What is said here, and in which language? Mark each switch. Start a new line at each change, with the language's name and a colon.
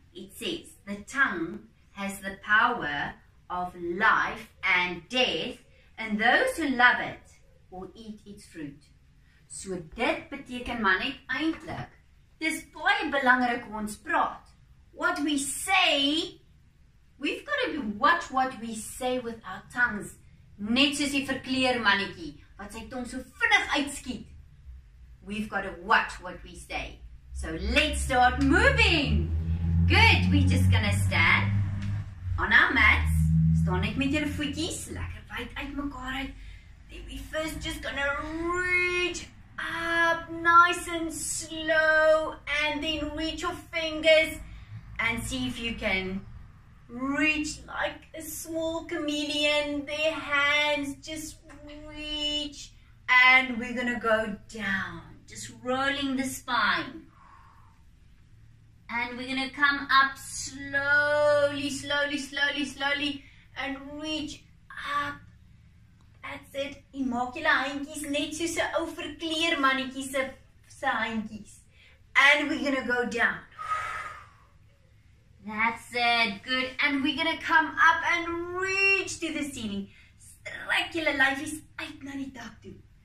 English: It says, "The tongue has the power of life and death, and those who love it will eat its fruit."
Afrikaans: So dit beteken maar net eintlik. Dis baie belangrik hoe ons praat.
English: What we say, we've got to watch what we say with our tongues.
Afrikaans: Net soos die verkleermannetjie wat sy tong so vinnig uitskiet.
English: We've got to watch what we say. So let's start moving. Good, we're just gonna stand on our mats.
Afrikaans: Staan net met julle voetjies lekker wyd uitmekaar uit.
English: Then we first just gonna reach up nice and slow and then reach your fingers and see if you can reach like a small chameleon, their hands just reach, and we're gonna go down, just rolling the spine. And we're gonna come up slowly, slowly, slowly, slowly, and reach up. That's it.
Afrikaans: En maak julle handjies net soos 'n ou verkleermannetjie se handjies.
English: And we're gonna go down. That's it. Good. And we're going to come up and reach to the ceiling.
Afrikaans: Strek julle lyfies uit na die dak toe.